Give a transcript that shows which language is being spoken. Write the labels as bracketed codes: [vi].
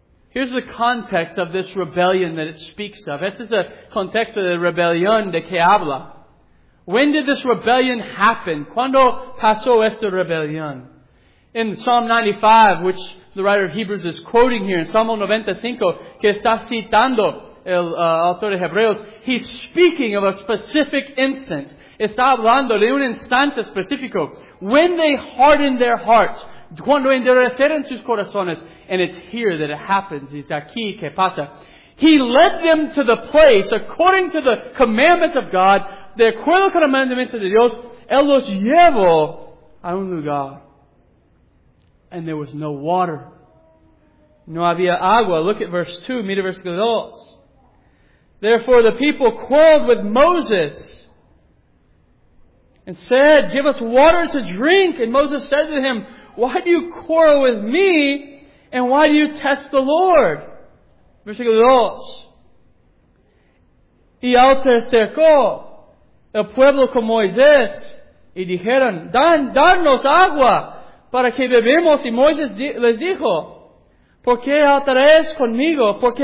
[en] Here's the context of this rebellion that it speaks of. This is the context of the rebellion [es] de que habla. [en] When did this rebellion happen? [es] ¿Cuándo pasó esta rebellion? [en] In Psalm 95, which the writer of Hebrews is quoting here, in Psalm 95, [es] que está citando el autor de Hebreos, [en] he's speaking of a specific instance. [es] Está hablando de un instante específico. [en] When they hardened their hearts, [es] cuando endurecieron sus corazones, [en] and it's here that it happens, [es] es aquí que pasa. [en] He led them to the place, according to the commandment of God, [es] de acuerdo con el mandamiento de Dios, él los llevó a un lugar. [en] And there was no water. [es] No había agua. [en] Look at verse 2. [es] Mira versículo 2. [en] Therefore the people quarreled with Moses and said, give us water to drink. And Moses said to him, why do you quarrel with me and why do you test the Lord? [es] Versículo 2. Y altercó el pueblo con Moisés y dijeron, danos agua para que bebemos. Y Moisés les dijo, ¿por qué altaréis conmigo?